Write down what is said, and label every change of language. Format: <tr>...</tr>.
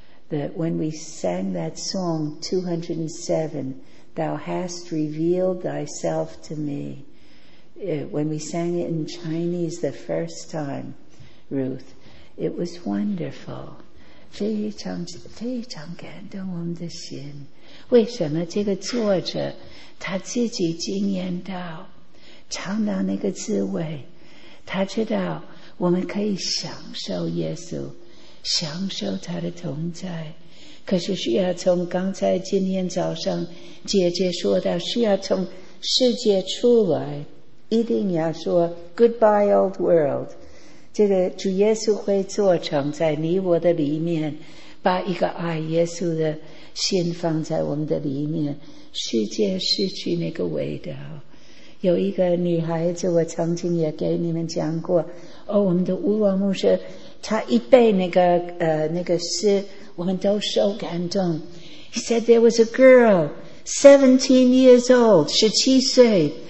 <en>That when we sang that song 207, Thou hast revealed thyself to me. When we sang it in Chinese the first time, Ruth, it was wonderful.</en> <zh>非常非常感动我们的心。为什么这个作者他自己经验到，尝到那个滋味，他知道我们可以享受耶稣，享受他的同在，可是需要从刚才今天早上姐姐说到，需要从世界出来，一定要说</zh> <en>goodbye old world，</en> <zh>这个主耶稣会做成在你我的里面，把一个爱耶稣的心放在我们的里面，世界失去那个味道。有一个女孩子，我曾经也给你们讲过，哦，我们的乌王牧师，他一背那个诗，我们都受感动。</zh> <en>He said there was a girl, 17 years old, 17岁。</en>